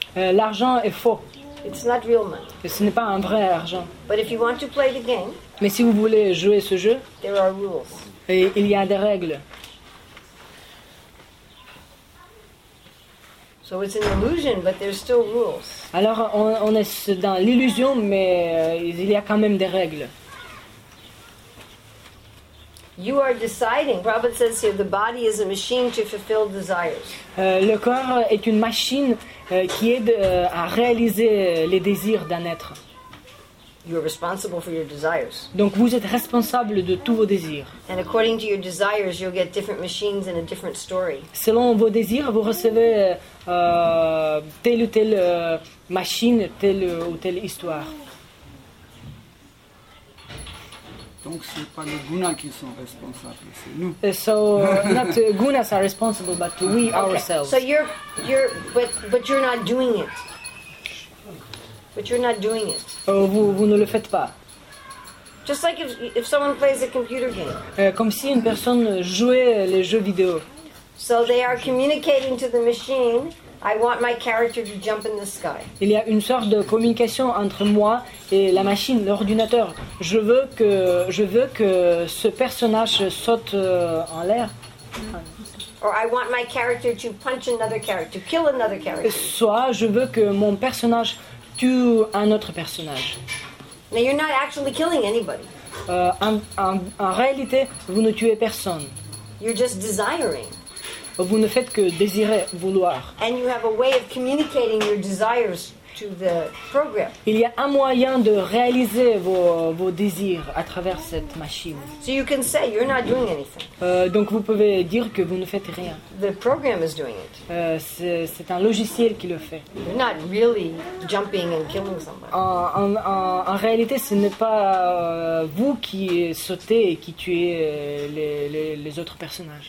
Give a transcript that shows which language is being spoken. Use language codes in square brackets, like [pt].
[fr] L'argent est faux. [en] It's not real money. [fr] Et ce n'est pas un vrai argent. [en] But if you want to play the game, [fr] mais si vous voulez jouer ce jeu, [en] there are rules. [fr] Et il y a des règles. [en] So it's an illusion, but there's still rules. [fr] Alors on est dans l'illusion, mais il y a quand même des règles. [en] You are deciding. Prabhupada says here, the body is a machine to fulfill desires. [fr] Le corps est une machine qui aide à réaliser les désirs d'un être. [en] You are responsible for your desires. [fr] Donc vous êtes responsable de tous vos désirs. [en] And according to your desires, you'll get different machines and a different story. [fr] Selon vos désirs, vous recevez telle ou telle machine, telle ou telle histoire. Donc ce n'est pas les gunas qui sont responsables, c'est nous. [en] So not gunas are responsible, but we ourselves. So you're not doing it. [fr] Vous ne le faites pas. [en] Just like if someone plays a computer game. [fr] Comme si une personne jouait les jeux vidéo. [en] So they are communicating to the machine. I want my character to jump in the sky. [fr] Il y a une sorte de communication entre moi et la machine, l'ordinateur. Je veux que ce personnage saute en l'air. [en] Or I want my character to punch another character, kill another character. [fr] Soit je veux que mon personnage tue un autre personnage. [en] Now you're not actually killing anybody. [fr] En réalité, vous ne tuez personne. [en] You're just desiring. [fr] Vous ne faites que désirer, vouloir. [en] And you have a way of communicating your desires to the program. [fr] Il y a un moyen de réaliser vos désirs à travers cette machine. [en] So you can say you're not doing anything. [fr] Donc vous pouvez dire que vous ne faites rien. [en] The program is doing it. [fr] C'est un logiciel qui le fait. [en] You're not really jumping and killing somebody. [fr] En réalité, ce n'est pas vous qui sautez et qui tuez les autres personnages.